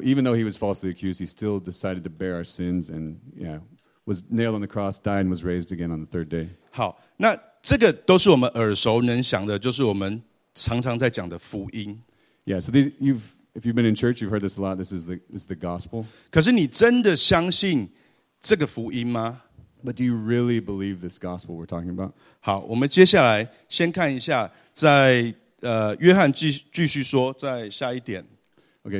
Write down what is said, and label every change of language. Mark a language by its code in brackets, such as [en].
[en] even though he was falsely accused, he still decided to bear our sins and yeah, was nailed on the cross, died, and was raised again on the third day. [zh] 好，那这个都是我们耳熟能详的，就是我们常常在讲的福音。Yeah, [en] so these, if you've been in church, you've heard this a lot. This is the gospel. [zh] 可是你真的相信这个福音吗？ [en] But do you really believe this gospel we're talking about? [zh] 好，我们接下来先看一下，在约翰继续说，在下一点。Okay,